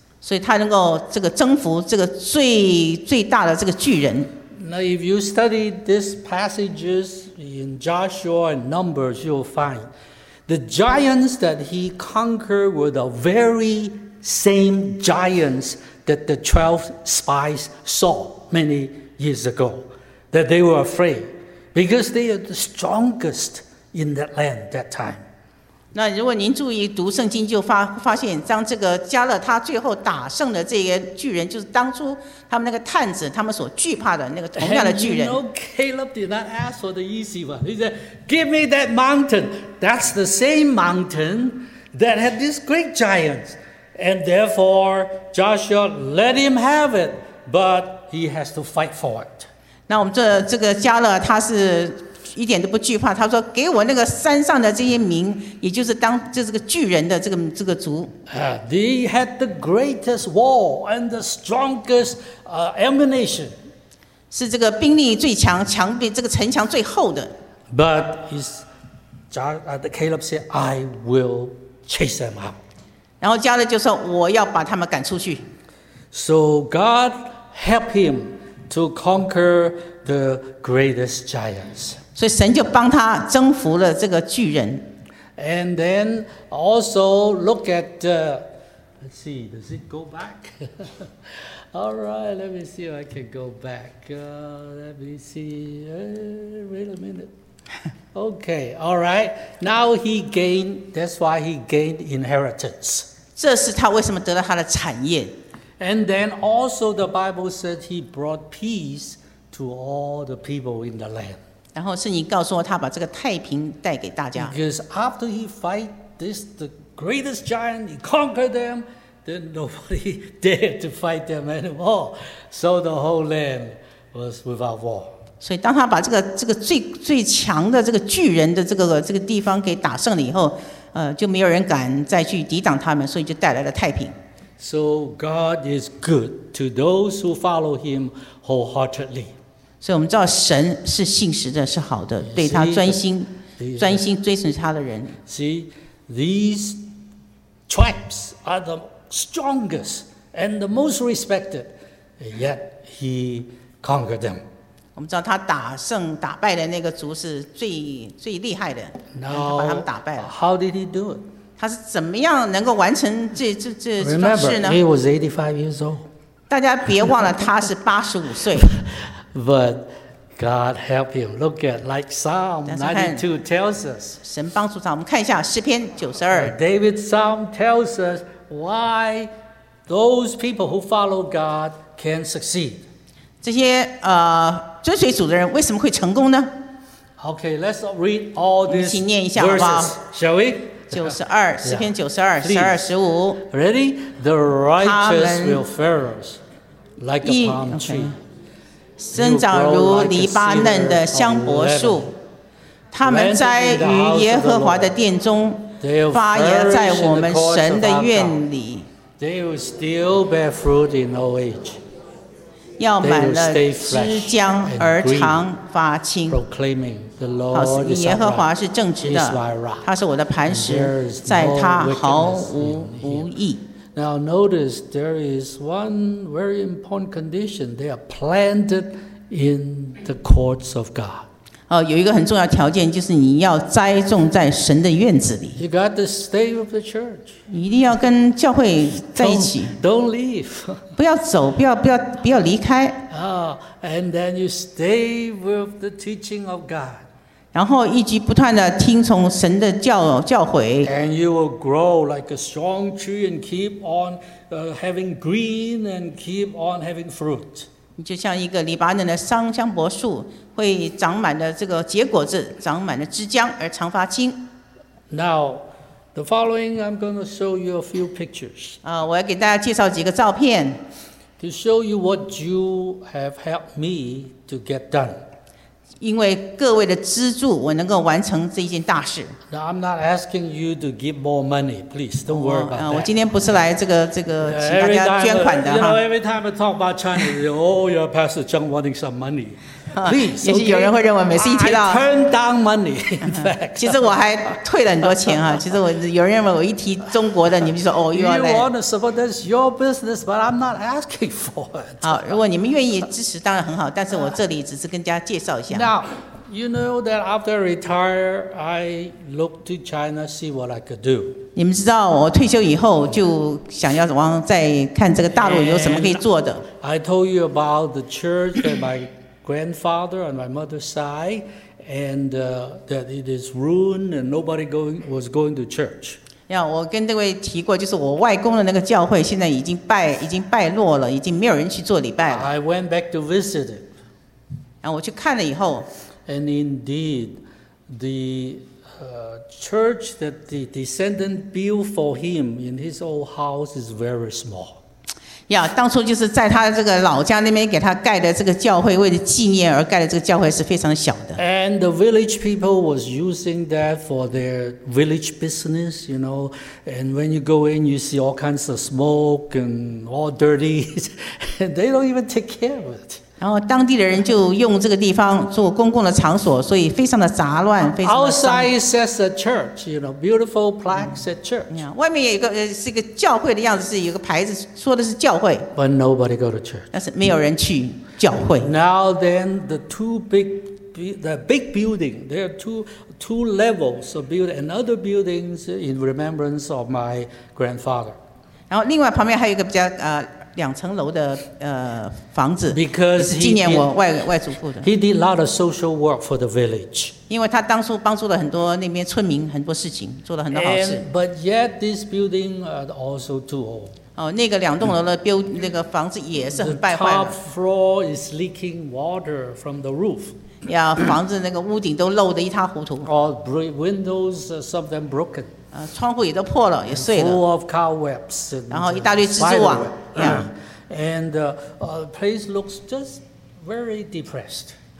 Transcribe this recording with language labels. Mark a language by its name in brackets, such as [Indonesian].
[Chinese] 所以他能够这个征服这个最大的这个巨人。 [English] Now, if you study these passages in Joshua and Numbers, you'll find the giants that he conquered were the very same giants that the 12 spies saw many years ago, that they were afraid because they are the strongest in that land that time. [Chinese] 那如果您注意读圣经，就发现，当这个加勒他最后打胜的这个巨人，就是当初他们那个探子他们所惧怕的那个同样的巨人。 [English] And you know, Caleb did not ask for the easy one. He said, "Give me that mountain. That's the same mountain that had these great giants." And therefore, Joshua let him have it, but he has to fight for it. [Chinese] 那我们这个加勒他是。一点都不惧怕，他说：“给我那个山上的这些民，也就是当就是这个巨人的这个族。” [English] They had the greatest war and the strongest ammunition. [Chinese] 是这个兵力最强，这个城墙最厚的。 [English] But Caleb said, "I will chase them out." [Chinese] 然后加勒就说：“我要把他们赶出去。” [English] So God helped him to conquer the greatest giants. [Chinese] 所以神就帮他征服了这个巨人。 [English] And then also look at, let's see, does it go back? All right, let me see if I can go back. Let me see. Wait a minute. Okay, all right. Now he gained, that's why he gained inheritance. [Chinese] 这是他为什么得到他的产业。 [English] And then also the Bible said he brought peace to all the people in the land. [Chinese] 然后圣经告诉我，他把这个太平带给大家。 [English] Because after he fight this the greatest giant, he conquered them, then nobody dared to fight them anymore. So the whole land was without war. [Chinese] 所以当他把这个最强的这个巨人的这个地方给打胜了以后，就没有人敢再去抵挡他们，所以就带来了太平。 [English] So God is good to those who follow Him wholeheartedly. [Chinese] 所以我们知道神是信实的，是好的，对他专心追随他的人。 [English] See, these tribes are the strongest and the most respected, yet he conquered them. [Chinese] 我们知道他打败的那个族是最厉害的， [English] Now, [Chinese] 把他们打败了。 [English] How did he do it? [Chinese] 他是怎么样能够完成这事呢 [English] ？Remember, he was 85 years old. [Chinese] 大家别忘了，他是85岁。 [English] But God help him. Look at like Psalm 92 tells us. [Chinese] 神帮助他，我们看一下诗篇92。 [English] David's Psalm tells us why those people who follow God can succeed. [Chinese] 这些遵随主的人为什么会成功呢？ [English] Okay, let's read all these verses. [Chinese] 一起念一下好不好？ [English] Shall we? [Chinese] 诗篇92 12 15 [English] Ready? The righteous will flourish like a palm tree. [Chinese] 生长如黎巴嫩的香柏树，他们栽于耶和华的殿中，发芽在我们神的院里。 [English] They will still bear fruit in old age. [Chinese] 要满了枝浆而长发青。好，耶和华是正直的，他是我的磐石，在他毫无不义。 [English] Now notice there is one very important condition. They are planted in the courts of God. [Chinese] 有一个很重要条件，就是你要栽种在神的院子里。 [English] You got to stay with the church. [Chinese] 一定要跟教会在一起。 [English] Don't leave. [Chinese] 不要走，不要离开。 [English] And then you stay with the teaching of God. [Chinese] 然后一直不断的听从神的教诲。 [English] And you will grow like a strong tree and keep on having green and keep on having fruit. [Chinese] 就像一个黎巴嫩的香柏树，会长满了这个结果子，长满了枝浆，而常发青。 [English] Now, the following, I'm going to show you a few pictures. [Chinese] 我要给大家介绍几个照片。 [English] To show you what you have helped me to get done. [Chinese] 因为各位的资助，我能够完成这一件大事。 [English] Now, I'm not asking you to give more money, please. Don't worry about that. [Chinese] 我今天不是来这个请大家捐款的哈。 [English] You know, every time I talk about China, your pastor Zheng wanting some money. Please. [Chinese] 也许有人会认为每次一提到 [English] I turn down money. In fact, [Chinese] 其实我还退了很多钱哈。其实我有人认为我一提中国的，你们就说 [English] you want to support this your business, but I'm not asking for it. [Chinese] 好，如果你们愿意支持，当然很好。但是我这里只是跟大家介绍一下。 [English] Now. You know that after I retire, I look to China to see what I could do. [Chinese] 你们知道我退休以后就想要往再看这个大陆有什么可以做的。 [English] I told you about the church that my grandfather on my mother's side, and that it is ruined and nobody was going to church. [Chinese] 我跟各位提过，就是我外公的那个教会现在已经败落了，已经没有人去做礼拜了。 [English] I went back to visit it. [Chinese] 然后我去看了以后。 [English] And indeed, the church that the descendant built for him in his old house is very small. [Chinese] Yeah, 当初就是在他这个老家那边给他盖的这个教会，为了纪念而盖的这个教会是非常小的。 [English] And the village people was using that for their village business, you know. And when you go in, you see all kinds of smoke and all dirty. They don't even take care of it. [Chinese] 然后当地的人就用这个地方做公共的场所，所以非常的杂乱，非常的脏。 [English] Outside says a church, you know, beautiful plaques at church. [Chinese] 外面有一个是一个教会的样子，是有个牌子说的是教会。 [English] But nobody go to church. [Chinese] 但是没有人去教会。 [English] Now then, the big building, there are two levels of building and other buildings in remembrance of my grandfather. [Chinese] 然后另外旁边还有一个比较两层楼的房子，就是纪念我外祖父的。 [English] He did a lot of social work for the village. [Chinese] 因为他当初帮助了很多那边村民很多事情，做了很多好事。 [English] But yet this building also too old. [Chinese] 那个两栋楼的那个房子也是很败坏了。 [English] The top floor is leaking water from the roof. [Chinese] 房子那个屋顶都漏得一塌糊涂。 [English] All windows, some of them broken. [Chinese] 窗户也都破了，也碎了。 [English] Full of cobwebs. [Chinese] 然后一大堆蜘蛛网。 [English] And the place looks just very depressed.